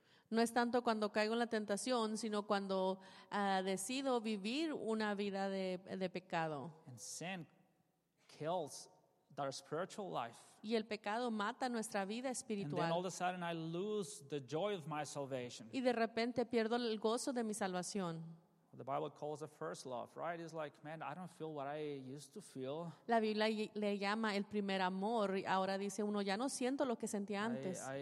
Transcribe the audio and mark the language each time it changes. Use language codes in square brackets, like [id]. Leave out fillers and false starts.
[es] No es tanto cuando caigo en la tentación, sino cuando decido vivir una vida de pecado. [en] And sin kills our spiritual life. [es] Y el pecado mata nuestra vida espiritual. [en] And then all of a sudden I lose the joy of my salvation. [es] Y de repente pierdo el gozo de mi salvación. [en] The Bible calls it first love, right? It's like, man, I don't feel what I used to feel. [es] La Biblia le llama el primer amor. Ahora dice uno, ya no siento lo que sentía antes.